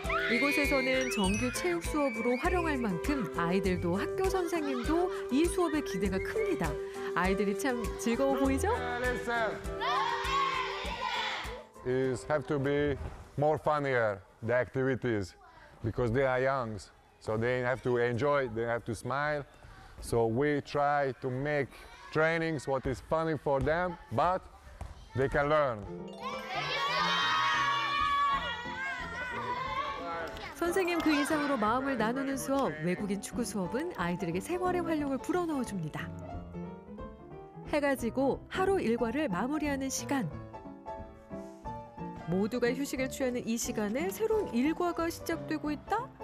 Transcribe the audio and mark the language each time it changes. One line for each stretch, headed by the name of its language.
Korean: 이곳에서는 정규 체육 수업으로 활용할 만큼 아이들도 학교 선생님도 이 수업의 기대가 큽니다. 아이들이 참 즐거워 보이죠?
English: It have to be more funnier the activities because they are young, so they have to enjoy, they have to smile. So we try to make trainings what is funny for them, but they can learn.
Korean: 선생님 그 이상으로 마음을 나누는 수업, 외국인 축구 수업은 아이들에게 생활의 활력을 불어넣어줍니다. 해가 지고 하루 일과를 마무리하는 시간. 모두가 휴식을 취하는 이 시간에 새로운 일과가 시작되고 있다?